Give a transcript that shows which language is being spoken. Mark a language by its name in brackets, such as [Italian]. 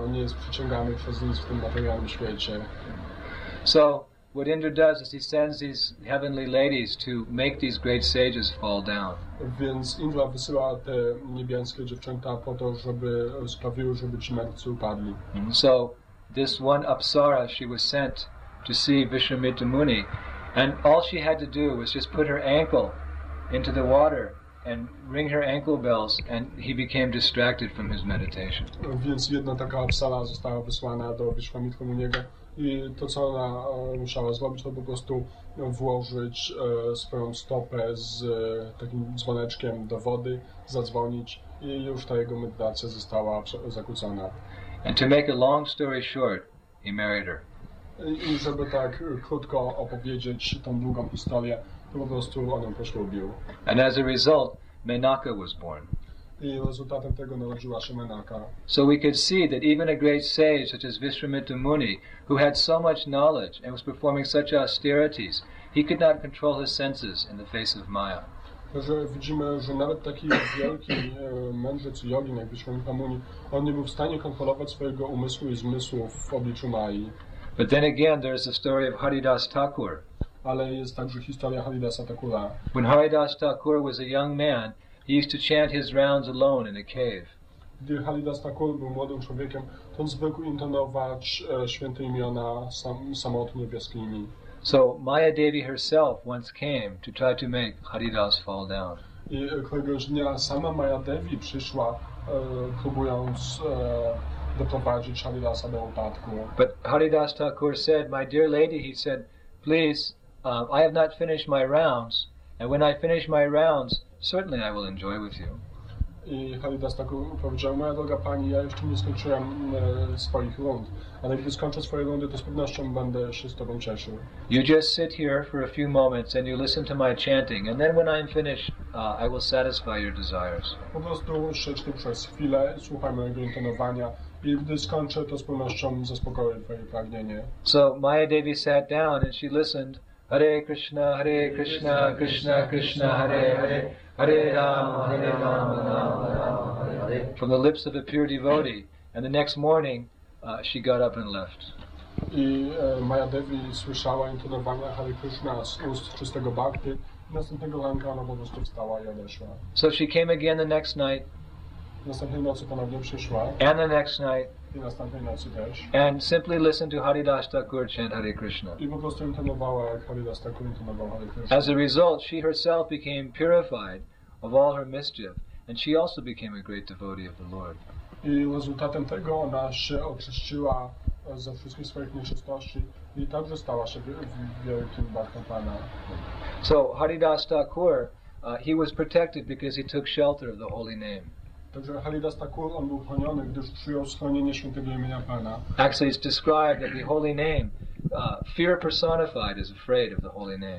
[Polish] On nie jest przyciągany przez nic w tym materialnym świecie. [English] So what Indra does is he sends these heavenly ladies to make these great sages fall down. [Polish] Więc Indra wysyła te niebiańskie dziewczęta po to, żeby sprawiły, żeby ci mędrcy upadli. [English] So this one apsara, she was sent to see Vishwamitra Muni, and all she had to do was just put her ankle into the water and ring her ankle bells, and he became distracted from his meditation. [Polish] Więc jedna taka apsara została wysłana do Vishwamitra Muniego. I to, co ona musiała zrobić, to po prostu włożyć swoją stopę z takim dzwoneczkiem do wody, zadzwonić, i już ta jego medytacja została zakłócona. [English] And to make a long story short, he married her. [Polish] I żeby tak krótko opowiedzieć tą długą historię, to po prostu on ją poślubił. [English] And as a result, Menaka was born. [Polish] I rezultatem tego narodziła się Menaka. [English] So we could see that even a great sage such as Vishwamitra Muni, who had so much knowledge and was performing such austerities, he could not control his senses in the face of Maya. [Polish] Także widzimy, że nawet taki wielki mędrzec jogin jak Vishwamitra Muni, on nie był w stanie kontrolować swojego umysłu i zmysłu w obliczu Mayi. [English] But then again, there is the story of Haridas Thakur. [Polish] Ale jest także historia Haridasa Thakura. [English] When Haridas Thakur was a young man, he used to chant his rounds alone in a cave. [Polish] Gdy Haridas Thakur był młodym człowiekiem, to on zwykł intonować święte imiona samotnie w jaskini. [English] So Maya Devi herself once came to try to make Haridas fall down. [Polish] I któregoś dnia sama Maya Devi przyszła, próbując doprowadzić Haridasa do upadku. [English] But Haridas Thakur said, "My dear lady," he said, "please, I have not finished my rounds, and when I finish my rounds, certainly I will enjoy with you." [Polish] I Haridas Thakur powiedział, "Moja droga pani, ja jeszcze nie skończyłem swoich rund, ale gdy skończę swoje rundy, to z pewnością będę się z tobą cieszył." [English] "You just sit here for a few moments and you listen to my chanting, and then when I'm finished, I will satisfy your desires." [Polish] Po prostu siedź tu przez chwilę, słuchaj mojego intonowania, i gdy skończę, to z pewnością zaspokoję twoje pragnienie. [English] So Maya Devi sat down and she listened. [Sanskrit] Hare Krishna, Hare Krishna, Krishna Krishna, Hare Hare, Hare Rama, Hare Rama, Rama Rama, Hare Hare. [English] From the lips of a pure devotee. And the next morning, she got up and left. [Polish] I Maya Devi słyszała intonowania Hare Krishna z ust czystego bhakti. Następnego ranka ona po prostu wstała i odeszła. [English] So she came again the next night. [Polish] Następnej nocy ponownie przyszła. [English] And the next night. [Polish] I następnej nocy też. [English] And simply listened to Haridas Thakur chant Hare Krishna. [Polish] I po prostu intonowała, jak Haridas Thakur intonował Hare Krishna. [English] As a result, she herself became purified of all her mischief, and she also became a great devotee of the Lord. [Polish] I rezultatem tego ona się oczyściła ze wszystkich swoich nieczystości i także stała się wielkim bhaktą Pana. [English] So Haridas Thakur, he was protected because he took shelter of the holy name. [Polish] Także Haridas Thakur, on był chroniony, gdyż przyjął schronienie świętego imienia Pana. [English] Actually, it's described that the holy name, fear personified, is afraid of the holy name.